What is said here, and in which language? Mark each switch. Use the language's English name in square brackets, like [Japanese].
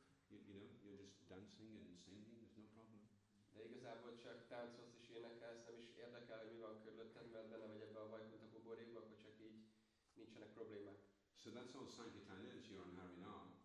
[English] You know, you're just dancing and singing, there's no problem. [Hungarian] De igazából csak táncolsz és énekelsz, nem is érdekel, hogy mi van körülötted, mert benne vagy ebben a Vaikuntha buborékban, akkor csak így nincsenek problémák. [English] So that's all Sankirtan is, you're on Harinam.